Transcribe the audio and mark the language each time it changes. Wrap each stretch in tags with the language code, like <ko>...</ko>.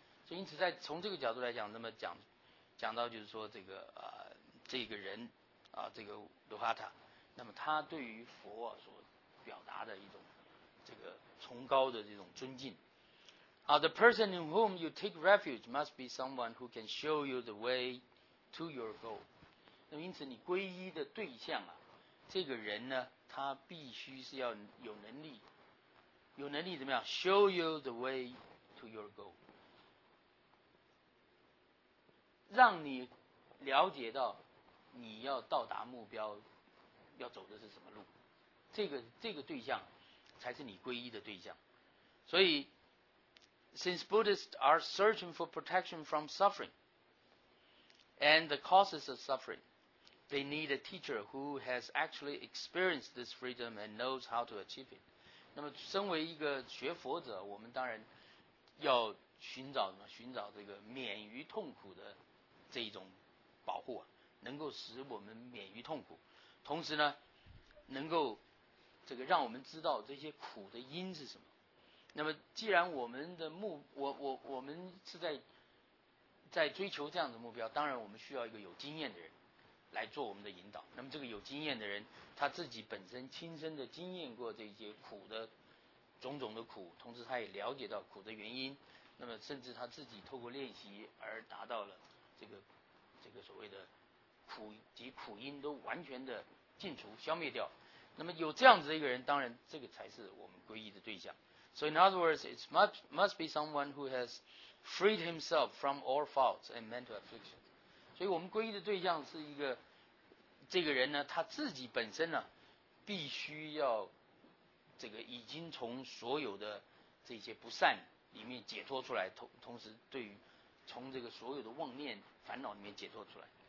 <zh>所以因此在从这个角度来讲，那么讲到就是说这个这个人啊，这个罗哈塔，那么他对于佛所表达的一种这个崇高的这种尊敬啊。</zh> <en>The person in whom you take refuge must be someone who can show you the way to your goal。</en> <zh>那么因此你皈依的对象啊，这个人呢，他必须是要有能力怎么样</zh> <en>show you the way to your goal，</en> <zh>让你了解到你要到达目标要走的是什么路，这个对象才是你皈依的对象。</zh> <en>所以 since Buddhists are searching for protection from suffering and the causes of suffering, they need a teacher who has actually experienced this freedom and knows how to achieve it。</en> <zh>那么身为一个学佛者，我们当然要寻找什么？寻找这个免于痛苦的这一种保护，能够使我们免于痛苦，同时呢能够这个让我们知道这些苦的因是什么。那么既然我们是在追求这样的目标，当然我们需要一个有经验的人来做我们的引导。那么这个有经验的人，他自己本身亲身的经验过这些苦的种种的苦，同时他也了解到苦的原因，那么甚至他自己透过练习而达到了这个所谓的苦及苦因都完全的尽除消灭掉。那么有这样子的一个人，当然这个才是我们皈依的对象。</zh> <en>So in other words, it must be someone who has freed himself from all faults and mental afflictions。</en> <zh>所以我们皈依的对象是一个，这个人呢，他自己本身呢，必须要这个已经从所有的这些不善里面解脱出来，同时对于从这个所有的妄念烦恼里面解脱出来。</zh>